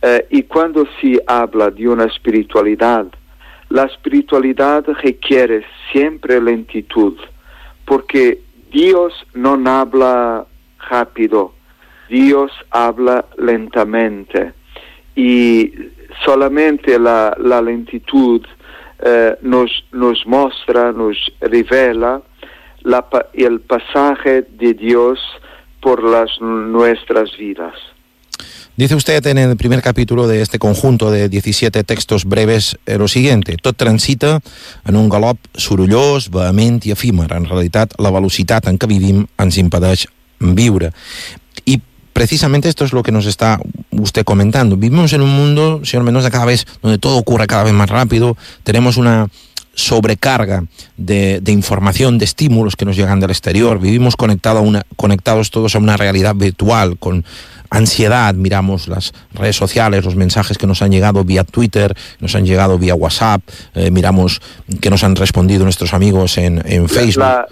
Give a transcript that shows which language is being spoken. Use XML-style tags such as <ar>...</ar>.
<es>Y cuando se habla de una espiritualidad, la espiritualidad requiere siempre lentitud, porque Dios no habla rápido, Dios habla lentamente, y solamente la lentitud nos muestra, nos revela el pasaje de Dios por las nuestras vidas. Dice usted en el primer capítulo de este conjunto de 17 textos breves lo siguiente:</es> <ca>tot transita en un galop sorollós, vehement i efímer. En realitat, la velocitat en què vivim ens impedeix viure.</ca> <es>I precisamente esto es lo que nos está usted comentando. Vivimos en un mundo, señor Mendoza, cada vez donde todo ocurre cada vez más rápido. Tenemos una sobrecarga de información, de estímulos que nos llegan del exterior. Vivimos conectados todos a una realidad virtual, con ansiedad miramos las redes sociales, los mensajes que nos han llegado vía Twitter, nos han llegado vía WhatsApp, miramos que nos han respondido nuestros amigos en Facebook.</es>